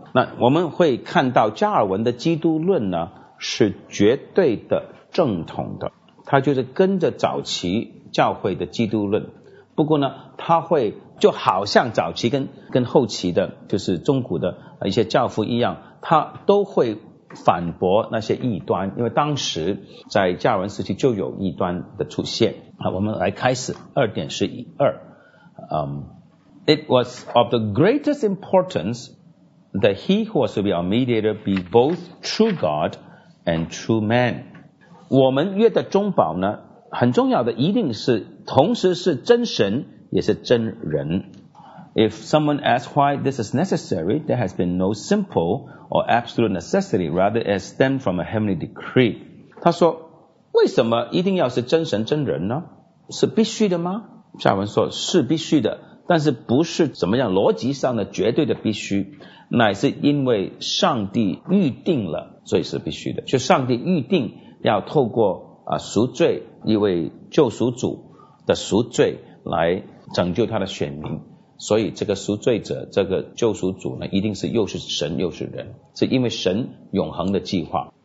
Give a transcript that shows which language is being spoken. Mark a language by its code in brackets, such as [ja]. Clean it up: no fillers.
[zh] 那我们会看到加尔文的基督论呢是绝对的正统的，他就是跟着早期教会的基督论。不过呢，他会就好像早期跟后期的，就是中古的一些教父一样，他都会反驳那些异端，因为当时在加尔文时期就有异端的出现。我们来开始 [en] 2.12、It was of the greatest importance that he who was to be our mediator be both true God and true man。 [zh] 我们约的中保呢，很重要的一定是同时是真神也是真人。 [en] If someone asks why this is necessary, there has been no simple or absolute necessity, rather it stems from a heavenly decree。 [zh] 他说为什么一定要是真神真人呢？是必须的吗？下文说是必须的，但是不是怎么样逻辑上的绝对的必须，乃是因为上帝预定了，所以是必须的。就上帝预定要透过赎罪，一位救赎主的赎罪来拯救他的选民，所以这个赎罪者，这个救赎主呢，一定是又是神又是人，是因为神永恒的计划。